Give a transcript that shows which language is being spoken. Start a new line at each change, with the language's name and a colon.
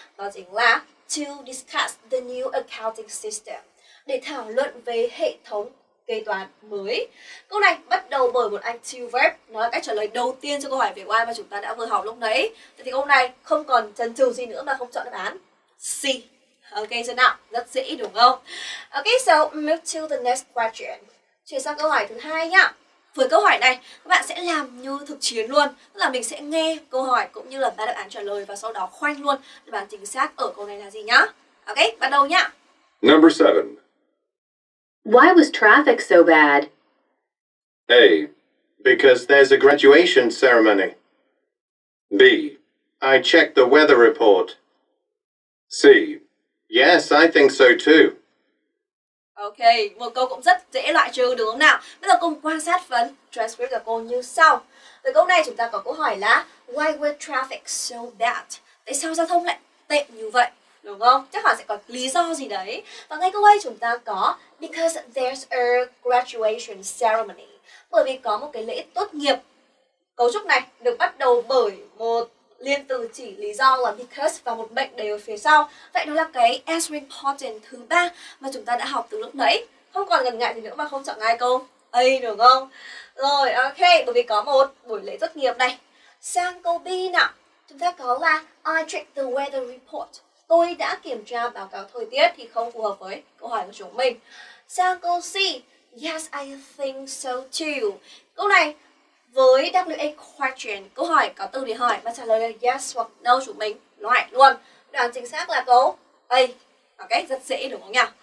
Vietnamese: Đó chính là
English: to discuss the new accounting system,
Vietnamese: để thảo luận về hệ thống kế toán mới. Câu này bắt đầu bởi một active verb, nó là cách trả lời đầu tiên cho câu hỏi về why mà chúng ta đã vừa học lúc nãy. Vậy thì câu này không còn chần chừ gì nữa mà không chọn đáp án C. Ok chưa nào? Rất dễ đúng không?
English: Ok, so move to the next question.
Vietnamese: Chuyển sang câu hỏi thứ hai nhá. Với câu hỏi này, các bạn sẽ làm như thực chiến luôn. Tức là mình sẽ nghe câu hỏi cũng như là ba đáp án trả lời và sau đó khoanh luôn đáp án chính xác ở câu này là gì nhá. Ok, bắt đầu nhá.
English: Number 7. Why was traffic so bad? A. Because there's a graduation ceremony. B. I checked the weather report. C. Yes, I think so too.
Vietnamese: Ok, một câu cũng rất dễ loại trừ đúng không nào? Bây giờ cùng quan sát phần transcript của cô như sau. Với câu này chúng ta có câu hỏi là
English: Why was traffic so bad?
Vietnamese: Tại sao giao thông lại tệ như vậy? Đúng không? Chắc hẳn sẽ có lý do gì đấy. Và ngay câu ấy chúng ta có
English: Because there's a graduation ceremony.
Vietnamese: Bởi vì có một cái lễ tốt nghiệp. Cấu trúc này được bắt đầu bởi một liên từ chỉ lý do là because và một mệnh đều ở phía sau. Vậy đó là cái as important thứ ba mà chúng ta đã học từ lúc nãy. Không còn ngần ngại gì nữa mà không chọn ngay câu A đúng không? Rồi ok, bởi vì có một buổi lễ tốt nghiệp này. Sang câu B nào. Chúng ta có là
English: I checked the weather report.
Vietnamese: Tôi đã kiểm tra báo cáo thời tiết thì không phù hợp với câu hỏi của chúng mình. Sang câu C,
English: yes, I think so too.
Vietnamese: Câu này với WH question, câu hỏi có từ để hỏi và trả lời là yes hoặc no chúng mình loại luôn. Đáp án chính xác là câu A. Ok, rất dễ đúng không nhỉ?